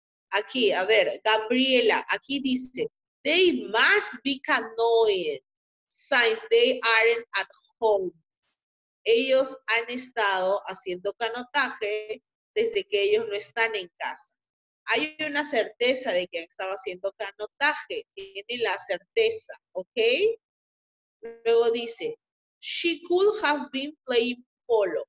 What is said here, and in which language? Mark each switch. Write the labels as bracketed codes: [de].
[es] Aquí, a ver, Gabriela, aquí dice, [en] they must be canoeing since they aren't at home. [es] Ellos han estado haciendo canotaje desde que ellos no están en casa. Hay una certeza de que han estado haciendo canotaje. Tiene la certeza, ¿ok? Luego dice, [en] she could have been playing polo.